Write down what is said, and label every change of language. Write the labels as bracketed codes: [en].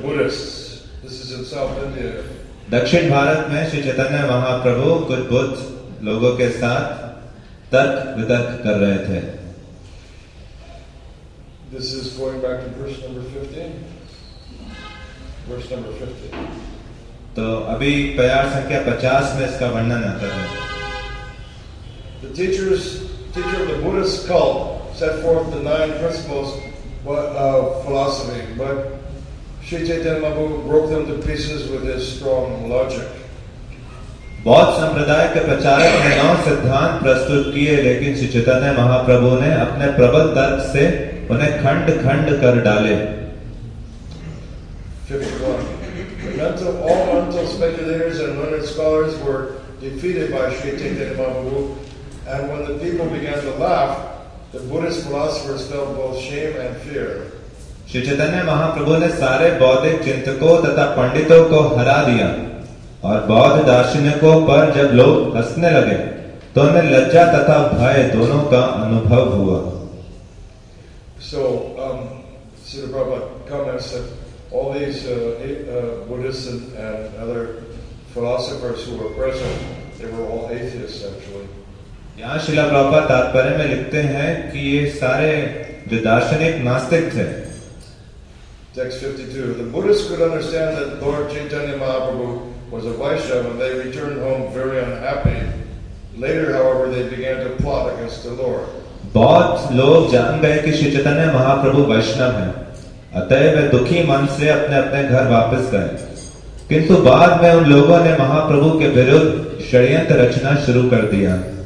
[hi] दक्षिण भारत में श्री चैतन्य महाप्रभु कुछ बुद्ध लोगों के साथ तर्क वितर्क कर रहे थे. [en] This is going back to verse number 15. Verse number 15. [hi] तो अभी प्यार संख्या 50 में इसका वर्णन आता है. [en] The teachers, teacher of the Buddhist cult set forth the nine principles of philosophy, but Shri Chaitanya Mahaprabhu broke them to pieces with his strong logic. [hi] बौद्ध संप्रदाय के प्रचारक ने नौ सिद्धांत प्रस्तुत किए लेकिन श्री चैतन्य महाप्रभु ने अपने प्रबल तर्क से उन्हें खंड खंड कर डाले. [en] 51. The all mental speculators and learned scholars were defeated by Shri Chaitanya Mahaprabhu, and when the people began to laugh, the Buddhist philosophers felt both shame and fear. [hi] Shri Chaitanya Mahaprabhu ने सारे बौद्धिक चिंतकों तथा पंडितों को हरा दिया और बौद्ध दार्शनिकों पर जब लोग हंसने लगे तो उन्हें लज्जा तथा भय दोनों का अनुभव हुआ. [en] So, Srila Prabhupada comments that all these Buddhists and other philosophers who were present, they were all atheists actually. [hi] यहाँ श्रीला प्रभुपाद तात्पर्य में लिखते हैं कि ये सारे जो दार्शनिक नास्तिक थे. [en] Text 52. The Buddhists could understand that Lord Chaitanya Mahaprabhu was a Vaishnava and they returned home very unhappy. Later, however, they began to plot against the Lord. [hi] बहुत लोग जान गए कि श्री चैतन्य महाप्रभु वैष्णव है, अतः वे दुखी मन से अपने अपने घर वापस गए। किंतु बाद में उन लोगों ने महाप्रभु के विरुद्ध षड्यंत्र रचना शुरू कर दिया।